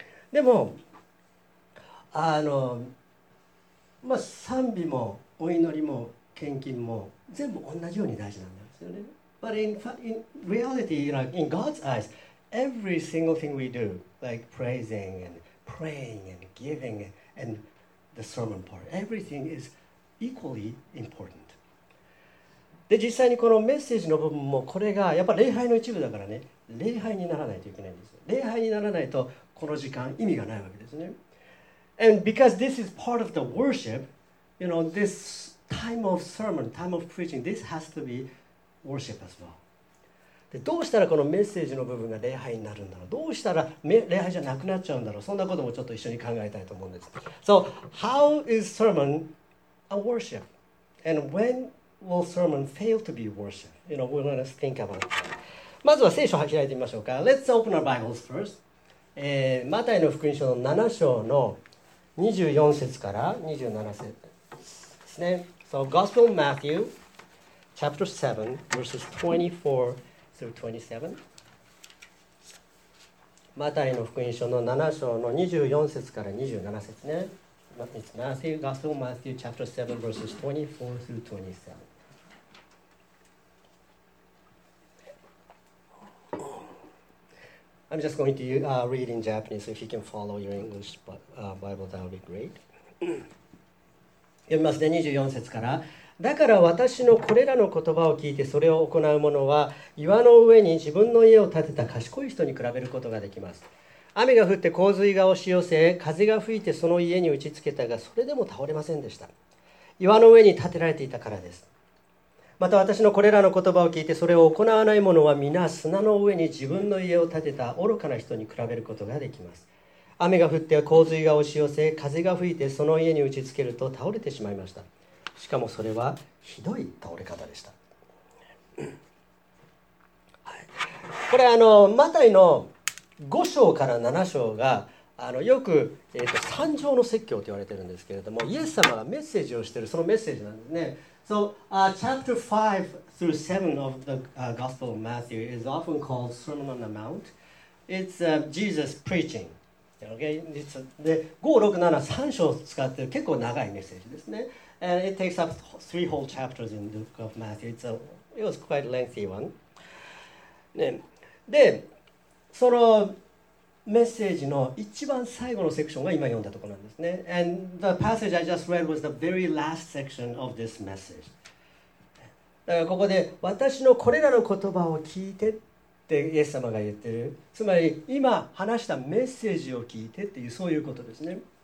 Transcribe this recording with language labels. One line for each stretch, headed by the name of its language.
Japanese: でも、あの、まあ、賛美もお祈りも献金も全部同じように大事なんですよね。
English: But in reality, you know, in God's eyes,Every single thing we do, like praising and praying and giving and the sermon part, everything is equally important.
Japanese: で、実際にこのメッセージの部分もこれがやっぱ礼拝の一部だからね、礼拝にならないといけないんです。礼拝にならないとこの時間意味がないわけですね。
English: And because this is part of the worship, you know, this time of sermon, time of preaching, this has to be worship as well.
Japanese: でどうしたらこのメッセージの部分が礼拝になるんだろう。どうしたら礼拝じゃなくなっちゃうんだろう。そんなこともちょっと一緒に考えたいと思うんです。
English: So, how is sermon a worship? And when will sermon fail to be worship? You know, we're going to think about that.
Japanese: まずは聖書を開いてみましょうか。
English: Let's open our Bibles first.
Japanese: マタイの福音書の7章の24節から27節ですね。
English: So, Gospel of Matthew, chapter 7, verses 24through 27.
Japanese: マタイの福音書の7章の24節から27節ね。
English: It's Matthew, Gospel of Matthew, chapter 7, verses 24 through 27. I'm just going to read in Japanese, so if you can follow your English Bible, that would be great.
Japanese: 読みますね、24節から。だから私のこれらの言葉を聞いてそれを行う者は岩の上に自分の家を建てた賢い人に比べることができます。雨が降って洪水が押し寄せ、風が吹いてその家に打ちつけたがそれでも倒れませんでした。岩の上に建てられていたからです。また私のこれらの言葉を聞いてそれを行わない者は皆砂の上に自分の家を建てた愚かな人に比べることができます。雨が降って洪水が押し寄せ、風が吹いてその家に打ちつけると倒れてしまいました。しかもそれはひどい倒れ方でした。はい、これあのマタイの5章から7章があのよく、三条の説教と言われてるんですけれども、イエス様がメッセージをしているそのメッセージなんですね。
English: So, chapter 5 through 7 of the、Gospel of Matthew is often called Sermon on the Mount. It's、Jesus preaching. Okay? It's a,
Japanese: で5、6、7、3章使ってる結構長いメッセージですね。
English: And it takes up three whole chapters in the book of Matthew. It's a, it was quite lengthy one.、
Japanese: ね、で、そのメッセージの一番最後のセクションが今読んだところなんですね。
English: And the passage I just read was the very last section of this message.
Japanese: だからここで私のこれらの言葉を聞いてってイエス様が言ってる。つまり今話したメッセージを聞いてっていうそういうことですね。